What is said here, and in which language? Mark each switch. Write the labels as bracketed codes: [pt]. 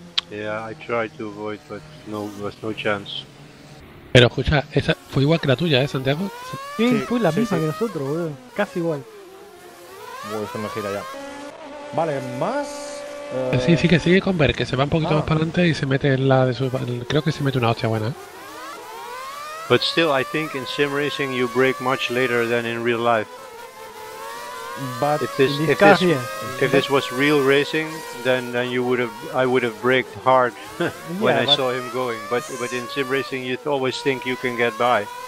[en] Yeah, I tried to avoid, but no, there's no chance. [es] Pero escucha, esa fue igual que la tuya, Santiago. Sí, fue la misma que nosotros, boludo. Casi igual. Uy, se me gira ya. Vale, más. Sí, sí, que sigue con Berk, que se va un poquito más para adelante y se mete en la de su... Creo que se mete una hostia buena. [en] But still, I think in sim racing you brake much later than in real life. But if this was real racing, then you would have, I would have braked hard when I saw him going. But in sim racing you always think you can get by.